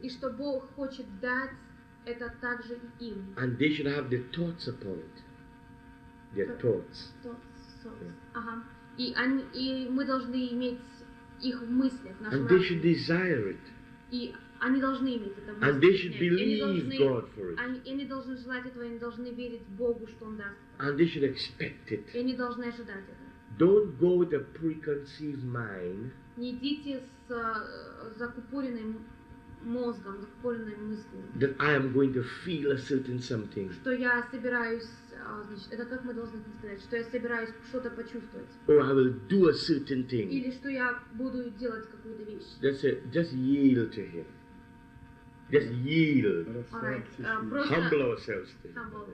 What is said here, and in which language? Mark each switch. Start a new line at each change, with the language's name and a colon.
Russian: И что Бог хочет дать это также и им.
English: And they should have their thoughts upon it. Their thoughts. Yeah. Ага.
Russian: И мы должны иметь их в мыслях, в
English: And they should desire it.
Russian: И они должны иметь это в мыслях.
English: And they should believe God for it.
Russian: И они должны желать этого, они должны верить Богу, что Он даст.
English: And they should expect it.
Russian: И они должны ожидать это.
English: Don't go with a preconceived mind.
Russian: Не идите с закупоренным мозгом, закупоренной мыслью.
English: That I am going to feel a certain something.
Russian: Что я собираюсь значит, это как мы должны сказать, что я собираюсь что-то почувствовать.
English: Or I will do a certain thing.
Russian: Или что я буду делать какую-то вещь.
English: That's it. Just yield to Him. Just yield.
Russian: Просто,
English: humble ourselves to Him.